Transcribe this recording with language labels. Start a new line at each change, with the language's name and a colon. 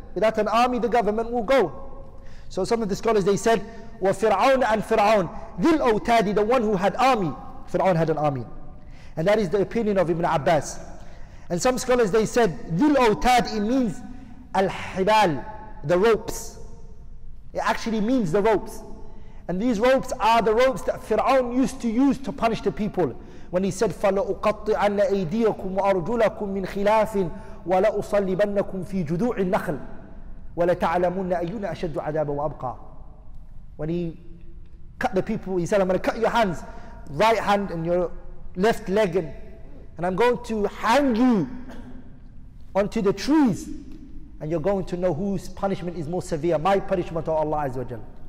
English: Without an army, the government will go. So some of the scholars, they said, وَفِرْعَوْن and Fir'aun, ذِلْ أَوْتَادِ, the one who had army. Fir'aun had an army. And that is the opinion of Ibn Abbas. And some scholars, they said, Dhul Awtad, it means Al-Hibal, the ropes. It actually means the ropes. And these ropes are the ropes that Fir'aun used to use to punish the people. When he said,
Arabic: فَلَأُقَطِّعَنَّ أَيْدِيَكُمْ وَأَرْجُلَكُمْ مِنْ خِلَافٍ وَلَأُصَلِّبَنَّكُمْ فِي جُذُوعِ النَّخْلِ وَلَتَعْلَمُنَّ أَيُّنَا أَشَدُّ عَذَابًا وَأَبْقَى.
English: When he cut the people, he said, I'm going to cut your hands, right hand and your left leg, and I'm going to hang you onto the trees, and you're going to know whose punishment is more severe, my punishment or Allah Azza wa Jal.